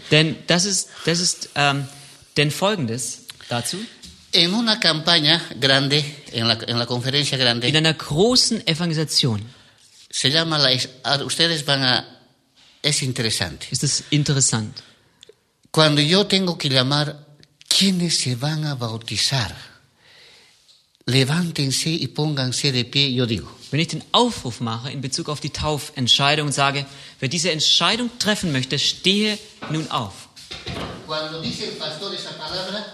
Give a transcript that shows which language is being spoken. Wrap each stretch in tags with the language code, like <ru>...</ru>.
<de>Denn das ist denn Folgendes dazu.</de> <es>En una campaña grande, en la conferencia grande.</es> <de>In einer großen Evangelisation.</de> <es>Se llama ustedes van a es interesante.</es> <de>Ist es interessant?</de> <es>Cuando yo tengo que llamar quienes se van a bautizar. Levántense y pónganse de pie, yo digo.</es> <de>Wenn ich den Aufruf mache in Bezug auf die Taufentscheidung und sage, wer diese Entscheidung treffen möchte, stehe nun auf.</de> <es>Cuando dice el pastor esa palabra,</es>